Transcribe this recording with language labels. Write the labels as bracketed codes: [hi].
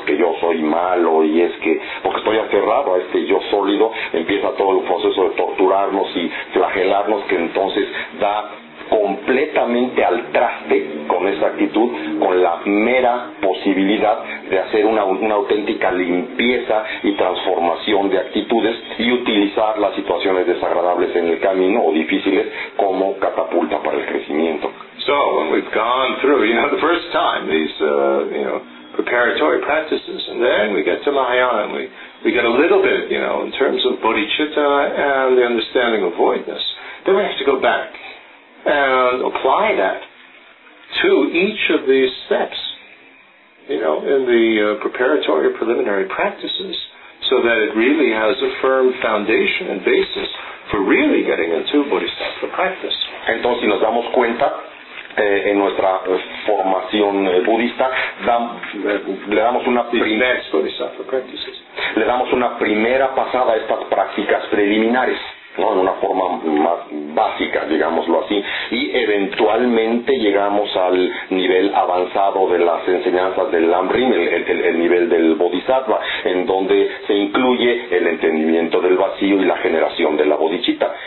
[es] Es que yo soy malo, y es que, porque estoy aferrado a este yo sólido, empieza todo el proceso de torturarnos y flagelarnos, que entonces da completamente al traste con esa actitud, con la mera posibilidad de hacer una auténtica limpieza y transformación de actitudes y utilizar las situaciones desagradables en el camino o difíciles como catapulta para el crecimiento. [en] So, when we've gone through, you know, the first time, these, you know, preparatory practices, and then we get to Mahayana, and we get a little bit, you know, in terms of bodhicitta and the understanding of voidness, then we have to go back and apply that to each of these steps, you know, in the preparatory or preliminary practices, so that it really has a firm foundation and basis for really getting into bodhisattva practice. [es] Entonces, si nos damos cuenta, en nuestra formación budista, le damos una primera pasada a estas prácticas preliminares, ¿no? En una forma más básica, digámoslo así, y eventualmente llegamos al nivel avanzado de las enseñanzas del Lamrim, el nivel del Bodhisattva, en donde se incluye el entendimiento del vacío y la generación de la bodichita.